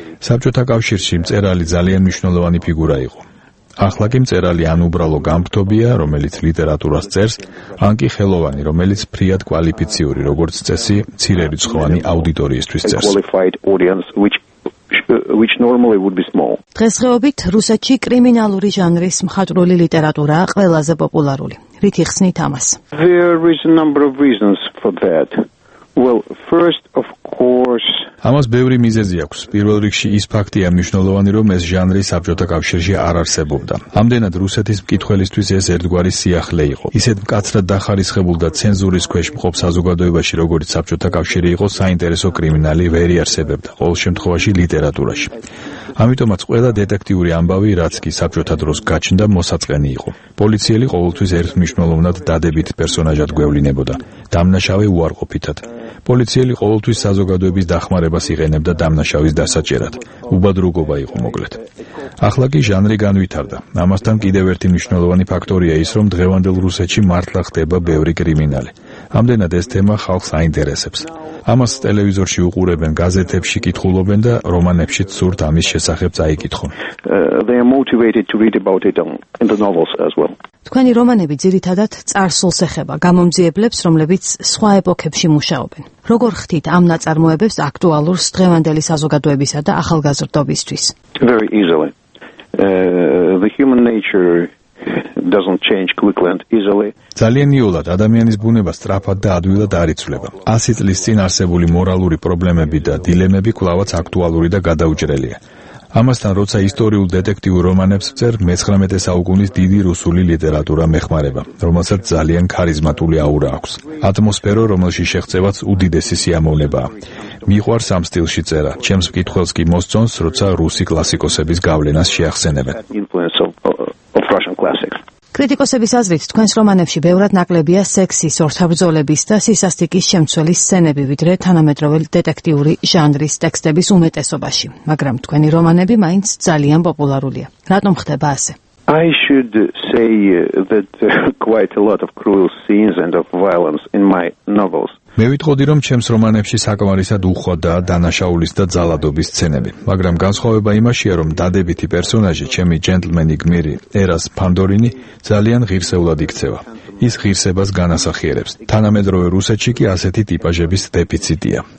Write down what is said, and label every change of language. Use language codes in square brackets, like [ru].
[ka] საბჭოთა კავშირში მწერალი ძალიან მნიშვნელოვანი ფიგურა იყო. ახლა კი მწერალი ან უბრალო გამფთობია, რომელიც ლიტერატურას წერს, ან კი ხელოვანი, რომელიც ფრიად კვალიფიციური, როგორც წესი, მცირე რიცხოვანი აუდიტორიისთვის წერს. [en] Which normally would be small. [ka] დღესდღეობით რუსეთში კრიმინალური ჟანრის მხატვრული ლიტერატურა ყველაზე პოპულარული. რითი ხსნით ამას? [en] There is a number of reasons for that. Well, first of course. [ka] ამას ბევრი მიზეზი აქვს. პირველ რიგში ის ფაქტია მნიშვნელოვანი, რომ ეს ჟანრი საბჭოთა კავშირში არ არსებობდა. ამდენად რუსეთის მკითხველისთვის ეს ერთგვარი სიახლე იყო. ისეთ მკაცრად დახარისხებულ და ცენზურის ქვეშ მყოფ საზოგადოებაში, როგორც საბჭოთა კავშირი იყო, საინტერესო კრიმინალი ვერ იარსებებდა, ყოველ შემთხვევაში ლიტერატურაში. ამიტომაც ყველა დეტექტიური ამბავი, რაც კი საბჭოთა დროს გაჩნდა, მოსაწყენი იყო. პოლიციელი ყოველთვის ერთმნიშვნელოვნად დადებით პერსონაჟად გვევლინებოდა, დამნაშავე უარყოფითად. პოლიციელი ყოველთვის საზოგადოების დახმარებას იღენებდა დამნაშავის დასაჭერად. უბადრუგობა იყო მოკლედ. ახლა კი ჟანრი განვითარდა. ამასთან კიდევ ერთი მნიშვნელოვანი ფაქტორია ის, რომ დღევანდელ რუსეთში მართლა ხდება ბევრი კრიმინალი. ამდენად ეს თემა ხალხს აინტერესებს. ამას ტელევიზორში უყურებენ, გაზეთებში კითხულობენ და რომანებშიც სურთ ამის შესახებ წაიკითხონ. [en] They are motivated to read about it in the novels as well. [ka] თქვენი რომანები ძირითადად წარსულს ეხება გამომძიებლებს, რომლებიც სხვა ეპოქებში მუშაობენ. როგორ ხდით ამ ნაწარმოებებს აქტუალურ დღევანდელი საზოგადოებისა და ახალგაზრდობისთვის? [en] Very easily. The human nature doesn't change quickly and easily. [ka] ძალიან ნიოლად ადამიანის ბუნება სწრაფად და ადვილად არ იცვლება. 100 წლის წინ არსებული მორალური პრობლემები და დილემები კვლავაც აქტუალური და გადაუჭრელია. ამასთან, როცა ისტორიულ დეტექტივ რომანებს წერ, 19 საუკუნის დიდი რუსული ლიტერატურა მეხმარება, რომელსაც ძალიან ქარიზმატული აურა აქვს. ატმოსფერო, რომელშიც შეხვდებათ, უდიდესი სიამოვნება. მიყვარს ამ სტილში წერა. ჩემს მკითხველს კი მოსწონს, როცა რუსი კლასიკოსების გავლენას შეახსენებენ. კრიტიკოსების აზრით, თქვენს რომანებში ბევრად ნაკლებია სექსის, ორთაბრძოლების და სისასტიკის შემცველი სცენები, ვიდრე თანამედროვე დეტექტიური ჟანრის ტექსტების უმეტესობაში. მაგრამ თქვენი რომანები მაინც ძალიან პოპულარულია. რატომ ხდება ასე? [en] I should say that quite a lot of cruel scenes and of violence in my novels. [ka] მე ვიტყოდი, რომ ჩემს რომანებში საკმარისად უხვადაა დანაშაულის და ძალადობის სცენები, მაგრამ განსხვავება იმაშია, რომ დადებითი პერსონაჟი, ჩემი ჯენტლმენი გმირი ერას ფანდორინი, ძალიან ღირსეულად იქცევა. ის ღირსებას განასახიერებს. თანამედროვე რუსეთში კი ასეთი ტიპაჟების დეფიციტია.